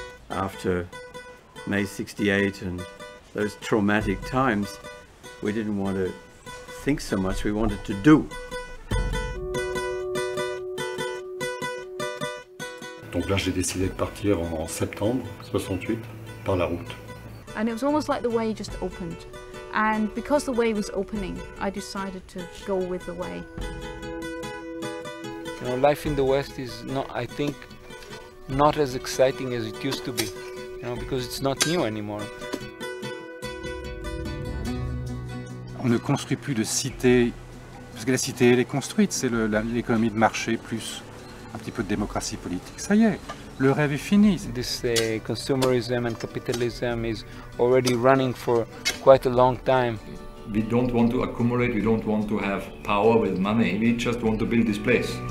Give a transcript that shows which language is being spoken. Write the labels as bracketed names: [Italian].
[English] After May 68 and those traumatic times, we didn't want to think so much, we wanted to do. [French] Donc là, j'ai décidé de partir en septembre 68 par la route. [English] And it was almost like the way just opened. And because the way was opening, I decided to go with the way. You know, life in the West is not, I think, not as exciting as it used to be, you know, because it's not new anymore. [French] On ne construit plus de cité, parce que la cité, elle est construite, c'est l'économie de marché plus un petit peu de démocratie politique. Ça y est, le rêve est fini. [English] This consumerism and capitalism is already running for quite a long time. We don't want to accumulate, we don't want to have power with money, we just want to build this place.